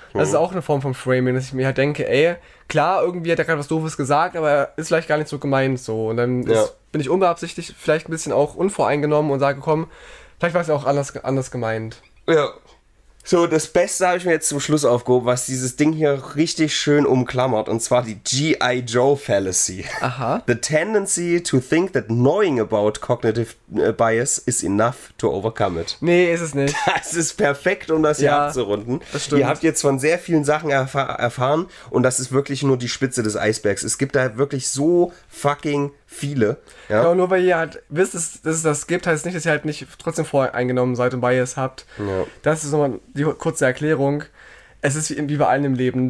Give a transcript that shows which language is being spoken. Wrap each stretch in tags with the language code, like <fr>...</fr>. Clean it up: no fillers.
<de>Das ist auch eine Form von Framing, dass ich mir halt denke, ey, klar, irgendwie hat er gerade was Doofes gesagt, aber ist vielleicht gar nicht so gemeint so. Und dann bin ich unbeabsichtigt vielleicht ein bisschen auch unvoreingenommen und sage, komm, vielleicht war es ja auch anders gemeint. Ja. So, das Beste habe ich mir jetzt zum Schluss aufgehoben, was dieses Ding hier richtig schön umklammert, und zwar die G.I. Joe Fallacy. Aha.</de> <en>The tendency to think that knowing about cognitive bias is enough to overcome it.</en> <de>Nee, ist es nicht. Das ist perfekt, um das hier abzurunden. Das stimmt. Ihr habt jetzt von sehr vielen Sachen erfahren, und das ist wirklich nur die Spitze des Eisbergs. Es gibt da wirklich so fucking viele. Ja, genau, nur weil ihr halt wisst, dass es das gibt, heißt es nicht, dass ihr halt nicht trotzdem voreingenommen seid und Bias habt. Ja. Das ist nochmal die kurze Erklärung. Es ist wie bei allen im Leben.</de>